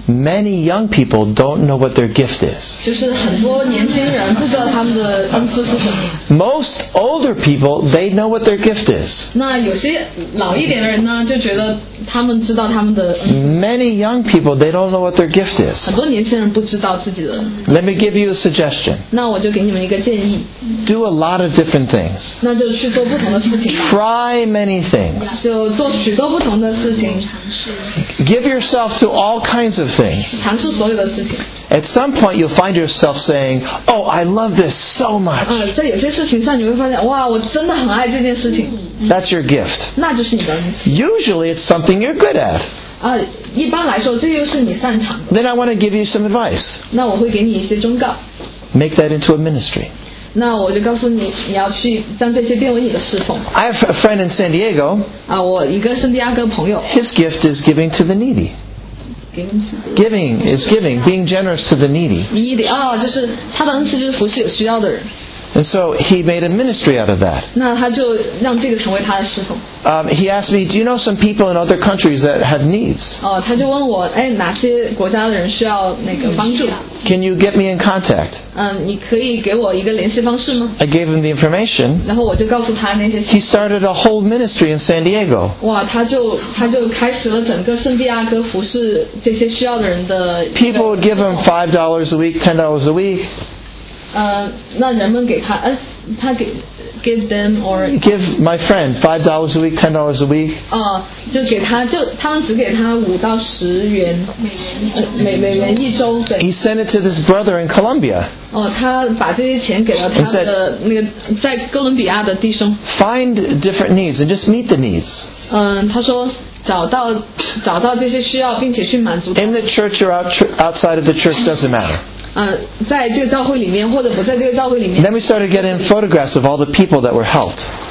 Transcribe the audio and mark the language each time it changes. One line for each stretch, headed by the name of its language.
English: Many young people don't know what their gift is.
Chinese: 就是很多年轻人不知道他们的恩赐是什么。
English: Most older people, they know what their gift is.
Chinese: 那有些老一点的人呢，就觉得他们知道他们的恩赐。
English: Many young people, they don't know what their gift is.
Chinese: 很多年轻人不知道自己的。
English: Let me give you a suggestion.
Chinese: 那我就给你们一个建议。
English: Do a lot of different things.
Chinese: 那就去做不同的事情。
English: Try many things.
Chinese: 就做许多不同的事情。
English: Give yourself. To all kinds of things. At some point, you'll find yourself saying, "Oh, I love this so much."
Chinese: 在有些事情上，你会发现，哇，我真的很爱这件事情。
English: That's your gift.
Chinese: 那就是你的恩赐。
English: Usually, it's something you're good at.
Chinese: 一般来说，这又是你擅长的。
English: Then I want to give you some advice.
Chinese: 那我会给你一些忠告。
English: Make that into a ministry.
Chinese: 那我就告诉你，你要去将这些变为你的侍奉。
English: I have a friend in San Diego.
Chinese: 我一个圣地亚哥朋友。
English: His gift is giving to the needy. Giving is giving, being generous to the needy.
Chinese: 就是他的恩赐就是服侍有需要的人。
English: And so he made a ministry out of that.
Chinese: 那他就让这个成为他的侍奉。
English: He asked me, "Do you know some people in other countries that have needs?"
Chinese: 他就问我，哎，哪些国家的人需要那个帮助
English: ？Can you get me in contact?
Chinese: 你可以给我一个联系方式吗
English: ？I gave him the information.
Chinese: 然后我就告诉他那些。
English: He started a whole ministry in San Diego.
Chinese: 哇，他就开始了整个圣地亚哥服侍这些需要的人的。
English: People would give him $5 a week, $10 a week.
Chinese: 那人们给他，他给
English: give them or give my friend $5 a week, $10 a week.
Chinese: 就给他，就他们只给他5到10元每元一周。对。
English: He sent it to this brother in Colombia.
Chinese: 他把这些钱给了他的
English: said,
Chinese: 那个在哥伦比亚的弟兄。
English: Find different needs and just meet the needs.
Chinese: 他说。找到这些需要，并且去满足。
English: In the church or outside of the church doesn't matter.
Chinese: 在这个教会里面或者不在这个教会里面。
English: Then we started getting photographs of all the people that were helped.